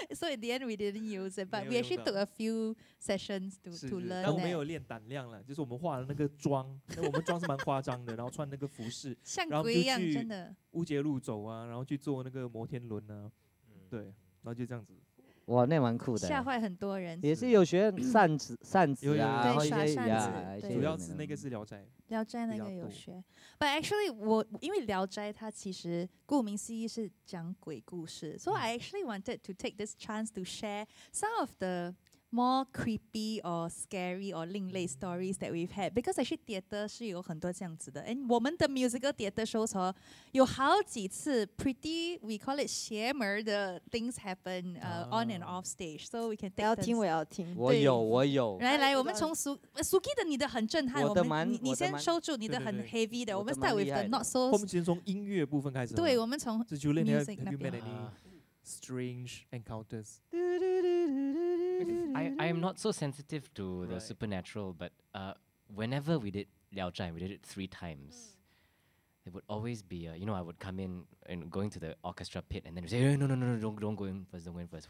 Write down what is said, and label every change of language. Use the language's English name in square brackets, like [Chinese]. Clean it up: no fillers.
[English] So in the end we didn't use it, but we actually took a few sessions to learn. [Chinese] 但我们有练胆量了，就是我们化了那个妆，那我们妆是蛮夸张的，然后穿那个服饰，像鬼一样，真的。乌节路走啊，然后去坐那个摩天轮啊，对，然后就这样子。哇，那蛮酷的，吓坏很多人。也是有学扇子，扇子啊，对，然后一些扇子，啊，主要是那个是《聊斋》。 《聊斋》那个有学 [English] ，But actually， [Chinese] 我因为《聊斋》它其实顾名思义是讲鬼故事 [English] ，So I actually wanted to take this chance to share some of the more creepy or scary or 另类 stories that we've had， because actually theater [Chinese] 是有很多这样子的 [English] ，and [Chinese] 我们的 [English] musical theater shows 哦， [Chinese] 有好几次 [English] pretty we call it [Chinese] 邪门的 [English] things happen， on and off stage， so we can take [Chinese] 要听我要听，我有，来，我们从Suki 的你的很震撼，我们你先收住你的很 heavy 的，我的我们 [English] start with the not so， [Chinese] 我们先从音乐部分开始，对，我们从 Julian 那边。 [English] Strange encounters. I am not so sensitive to the supernatural, but whenever we did Liao Zhai, we did it three times. It would always be, I would come in and going to the orchestra pit, and then we say, hey, no, don't go in first.